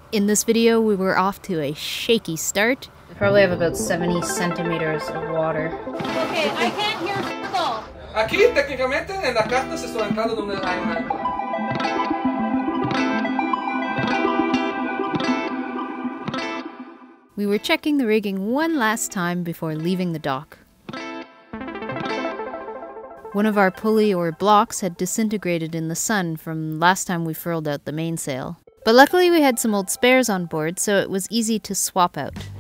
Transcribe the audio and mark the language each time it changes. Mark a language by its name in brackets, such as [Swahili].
[English] In this video, we were off to a shaky start. We probably have about 70 centimeters of water. Okay, I can't hear at all. [Spanish] Aquí, técnicamente, en la carta se está entrando donde hay mar. [English] We were checking the rigging one last time before leaving the dock. One of our pulley or blocks had disintegrated in the sun from last time we furled out the mainsail. But luckily we had some old spares on board, so it was easy to swap out.